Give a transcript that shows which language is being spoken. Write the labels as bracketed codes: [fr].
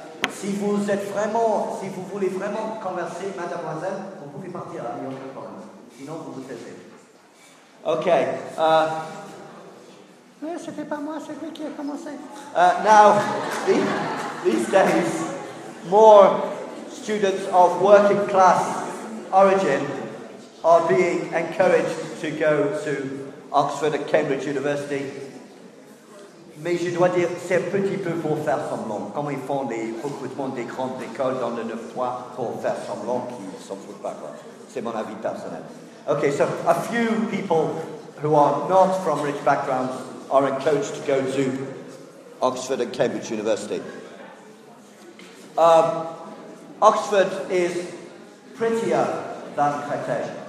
[fr] Si vous êtes vraiment, si vous voulez vraiment converser, mademoiselle, vous pouvez partir, il n'y a aucun problème. Sinon, vous vous taisez. Ok. Mais ce n'était pas moi, c'est lui qui a commencé. [en] Now, these days, more students of working class origin are being encouraged to go to Oxford and Cambridge University. [fr] Mais je dois dire, c'est un petit peu pour faire semblant. Comme ils font les recrutements des grandes écoles dans le 9-3 pour faire semblant qu'ils s'en foutent pas, quoi. C'est mon avis personnel. [en] Okay, so a few people who are not from rich backgrounds are encouraged to go to Oxford and Cambridge University. Oxford is prettier than Créteil.